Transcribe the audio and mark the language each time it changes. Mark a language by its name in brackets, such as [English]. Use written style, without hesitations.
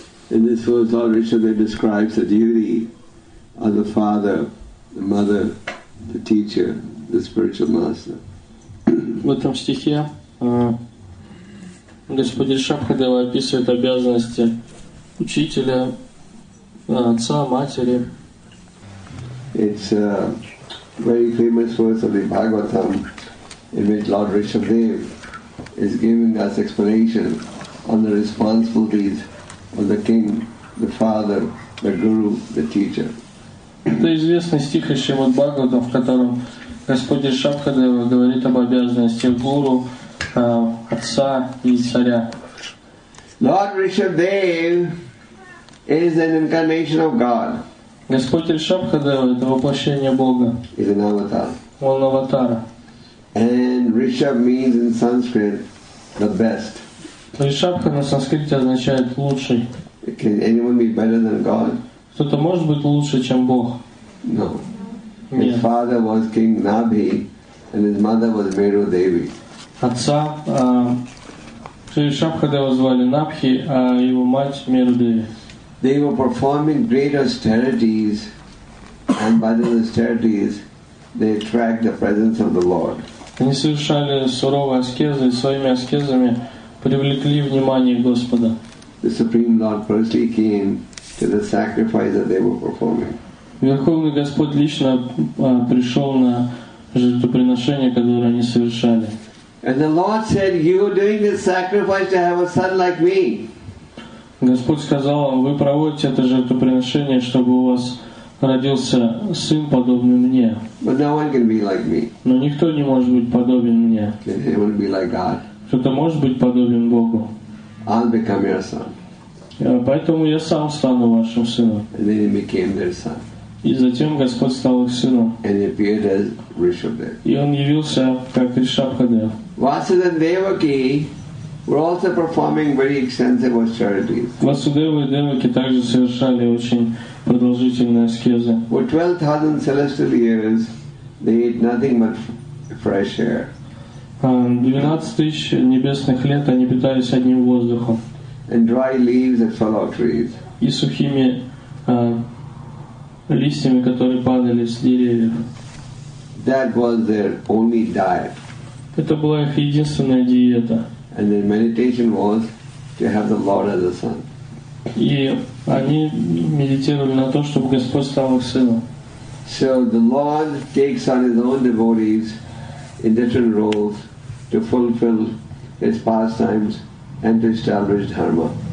[English] In this verse, Lord Ришабхада describes the duty of the father, the mother, the teacher, the spiritual master. [Russian] В этом стихе Господь Ришабхада описывает обязанности учителя, отца, матери. [English] It's a very famous verse of the Bhagavatam in which Lord Rishabhadev is giving us explanation on the responsibilities of the king, the father, the guru, the teacher. [Russian] Это известный стих из Шримад Бхагаватам, в котором Господь Ришабхадев говорит об обязанности гуру, отца и царя. [English] Lord Rishabhadev is an incarnation of God. [Russian] Господь Ришабхадев — это воплощение Бога. [English] He's an avatar. [Russian] Он аватар. [English] And Rishab means in Sanskrit the best. [Russian] Ришабха на санскрите означает лучший. [English] Can anyone be better than God? [Russian] Кто-то может быть лучше, чем Бог? [English] No. His father was King Nabhi, and his mother was Meru Devi. [Russian] Отца Ришабхадева звали Набхи, а его мать Меру Деви. [English] They were performing great austerities, and by those austerities, they attract the presence of the Lord. [Russian] Они совершали суровые аскезы, и своими аскезами привлекли внимание Господа. [English] The Supreme Lord personally came to the sacrifice that they were performing. [Russian] Верховный Господь лично пришел на жертвоприношение, которое они совершали. [English] And the Lord said, "You are doing this sacrifice to have a son like me." [Russian] Господь сказал вам, вы проводите это жертвоприношение, чтобы у вас родился сын подобный мне. [English] But no one can be like me. [Russian] Но никто не может быть подобен мне. [English] It will be like God. [Russian] Кто-то может быть подобен Богу. [English] I'll become your son. [Russian] Поэтому я сам стану вашим сыном. [English] And then he became their son. [Russian] И затем Господь стал их сыном. [English] And he appeared as Ришабхадев. [Russian] И он явился как Ришабхадев. [English] Vasudeva and Devaki were also performing very extensive austerities. [Russian] Vasudeva и Devaki также совершали очень продолжительные аскезы. [English] For 12,000 celestial years, they ate nothing but fresh air. [Russian] 12,000 небесных лет они питались одним воздухом. [English] And dry leaves of fallow trees. [Russian] И сухими листьями, которые падали с деревьев. [English] That was their only diet. [Russian] Это была их единственная диета. [English] And their meditation was to have the Lord as a son. [Russian] И они медитировали на то, чтобы Господь стал их сыном. [English] So the Lord takes on his own devotees in different roles to fulfill his pastimes and to establish dharma.